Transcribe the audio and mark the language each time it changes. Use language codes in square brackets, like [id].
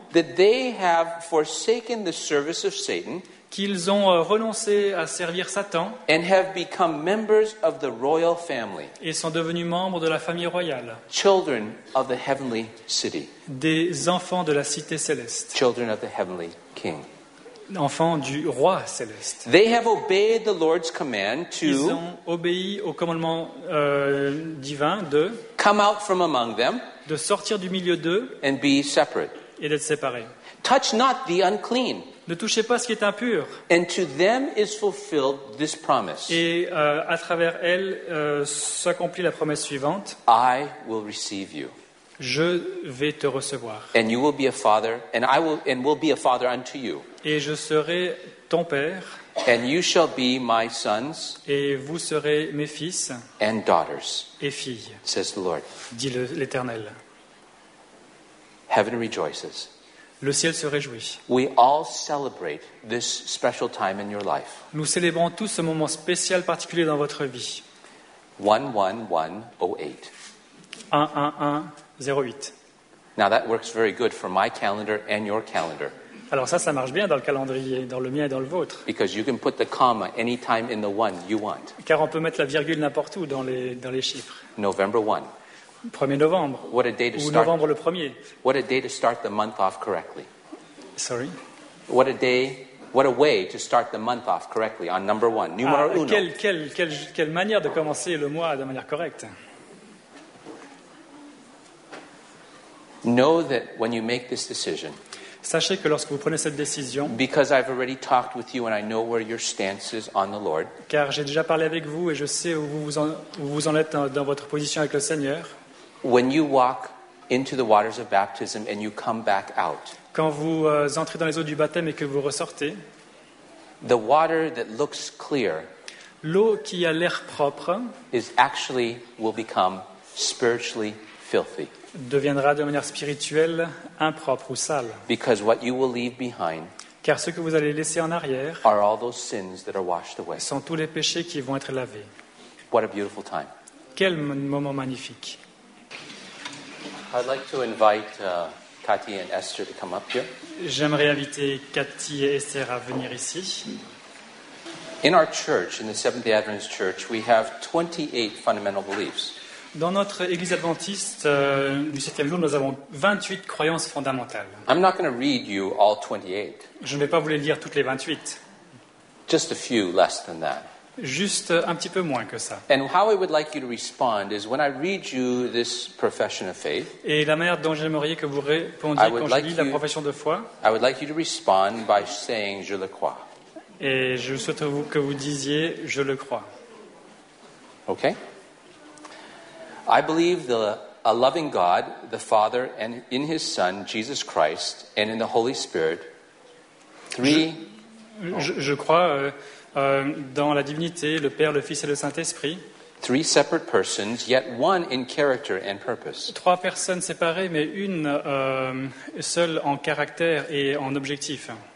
[en] that they have forsaken the service of Satan, [fr] qu'ils ont renoncé à servir Satan, [en] and have become members of the royal family, [fr] et sont devenus membres de la famille royale, [en] children of the heavenly city, [fr] des enfants de la cité céleste, [en] children of the heavenly king, [fr] enfants du roi céleste. [en] They have obeyed the Lord's command to, [fr] ils ont obéi au commandement divin de, [en] come out from among them, [fr] de sortir du milieu d'eux, [en] and be separate, [fr] et d'être séparés. [en] Touch not the unclean. [fr] Ne touchez pas ce qui est impur. [en] And to them is fulfilled this promise. [fr] Et à travers elle s'accomplit la promesse suivante. [en] I will receive you. [fr] Je vais te recevoir. [en] And you will be a father, and I will, and will be a father unto you. [fr] Et je serai ton père. [en] And you shall be my sons. [fr] Et vous serez mes fils. [en] And daughters. [fr] Et filles. [en] Says the Lord. [fr] Dit l'Éternel. [en] Heaven rejoices. [fr] Le ciel se réjouit. [en] We all celebrate this special time in your life. [fr] Nous célébrons tous ce moment spécial particulier dans votre vie. [en] 11108. [fr] 11108. [en] Now that works very good for my calendar and your calendar. [fr] Alors ça marche bien dans le calendrier, dans le mien et dans le vôtre. [en] Because you can put the comma anytime in the one you want. [fr] Car on peut mettre la virgule n'importe où dans les chiffres. [en] November 1. [fr] 1er novembre. [en] What a day to [fr] ou [en] start. [fr] Novembre le 1er. [en] What a day to start the month off correctly. Sorry. What a day, what a way to start the month off correctly on number 1. [fr] Numero 1. Quelle manière de commencer le mois de manière correcte. [en] Know that when you make this decision. [fr] Sachez que lorsque vous prenez cette décision. [en] Because I've already talked with you and I know where your stance is on the Lord. [fr] Car j'ai déjà parlé avec vous et je sais où vous en êtes dans votre position avec le Seigneur. [en] When you walk into the waters of baptism and you come back out. [fr] Quand vous entrez dans les eaux du baptême et que vous ressortez. [en] The water that looks clear. [fr] L'eau qui a l'air propre. [en] Is actually will become spiritually filthy. [fr] Deviendra de manière spirituelle impropre ou sale. [en] Because what you will leave behind. [fr] Car ce que vous allez laisser en arrière. [en] Are all those sins that are washed away. [fr] Sont tous les péchés qui vont être lavés. [en] What a beautiful time. [fr] Quel moment magnifique. [en] I'd like to invite Cathy and Esther to come up here. [fr] J'aimerais inviter Cathy et Esther à venir ici. [en] In our church, in the Seventh-day Adventist Church, we have 28 fundamental beliefs. [fr] Dans notre église adventiste du 7e jour, nous avons 28 croyances fondamentales. [en] I'm not going to read you all 28. [fr] Je ne vais pas vous les lire toutes les 28. [en] Just a few less than that. [fr] Juste un petit peu moins que ça. [en] And how I would like you to respond is when I read you this profession of faith. [fr] Et la manière dont j'aimerais que vous répondiez quand [en] like [fr] je lis la profession de foi. [en] I would like you to respond by saying [fr] je le crois. Et je souhaite que vous disiez je le crois. [en] Okay. I believe the a loving God, the Father, and in His Son Jesus Christ, and in the Holy Spirit. Three. [fr] Je crois. Dans la divinité, le Père, le Fils et le Saint-Esprit. [en] Three separate persons, yet one in character and purpose. [fr] Trois personnes séparées, mais une seule en caractère et en objectif.